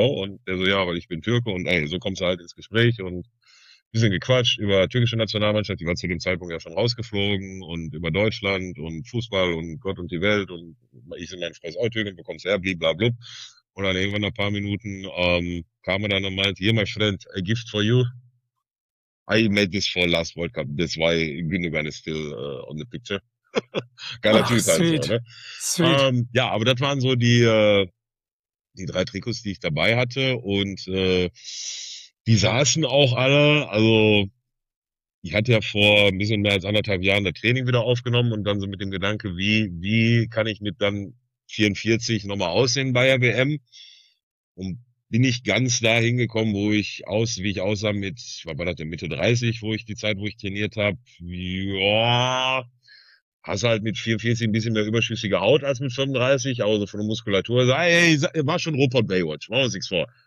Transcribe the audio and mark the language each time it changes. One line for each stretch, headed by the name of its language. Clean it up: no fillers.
German: Und der so, ja, weil ich bin Türke und ey, so kommst du halt ins Gespräch und wir sind gequatscht über türkische Nationalmannschaft, die war zu dem Zeitpunkt ja schon rausgeflogen und über Deutschland und Fußball und Gott und die Welt und ich und mein Freund ist auch Türke, wo kommst du her, blablabla. Und dann irgendwann nach ein paar Minuten kam er dann und meinte, hier, mein Freund,
English: a gift for you. I made this for last World Cup. That's why Gündogan is still on the picture.
German: Geiler Typ.
English: Sweet.
German: Also,
English: ne? Sweet.
German: Ja, aber das waren so die drei Trikots, die ich dabei hatte und die saßen auch alle. Also ich hatte ja vor ein bisschen mehr als anderthalb Jahren das Training wieder aufgenommen und dann so mit dem Gedanke, wie kann ich mit dann 44 nochmal aussehen bei der WM und bin ich ganz da hingekommen, wie ich aussah mit, was war das denn, Mitte 30, wo ich trainiert habe, ja, hast halt mit 44 ein bisschen mehr überschüssige Haut als mit 35, aber so von der Muskulatur, ey, war schon Rupert Baywatch, machen wir uns nichts vor.